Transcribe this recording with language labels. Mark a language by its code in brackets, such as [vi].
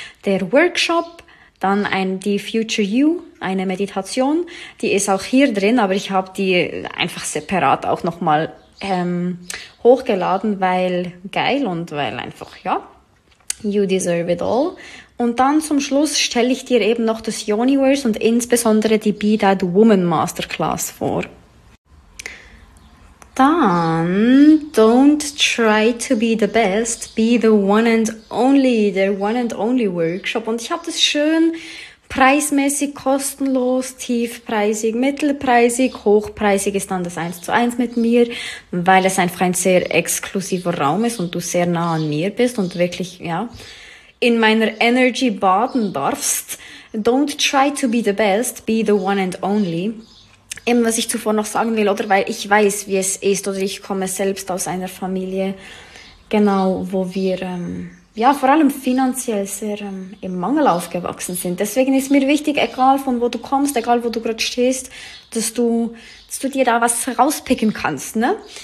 [de] Der Workshop, dann die Future You, eine Meditation, die ist auch hier drin, aber ich habe die einfach separat auch nochmal hochgeladen, weil geil und weil einfach, ja, [en] you deserve it all. [de] Und dann zum Schluss stelle ich dir eben noch das Yoniverse und insbesondere die Be That Woman Masterclass vor. [en] Dann, don't try to be the best, be the one and only, der one and only Workshop. [de] Und ich habe das schön preismäßig, kostenlos, tiefpreisig, mittelpreisig, hochpreisig ist dann das 1:1 mit mir, weil es einfach ein sehr exklusiver Raum ist und du sehr nah an mir bist und wirklich, ja, in meiner Energy baden darfst. [en] Don't try to be the best, be the one and only. [de] Eben, was ich zuvor noch sagen will, oder weil ich weiß, wie es ist, oder ich komme selbst aus einer Familie, genau, wo wir ja vor allem finanziell sehr im Mangel aufgewachsen sind. Deswegen ist mir wichtig, egal von wo du kommst, egal wo du gerade stehst, dass du dir da was rauspicken kannst, ne?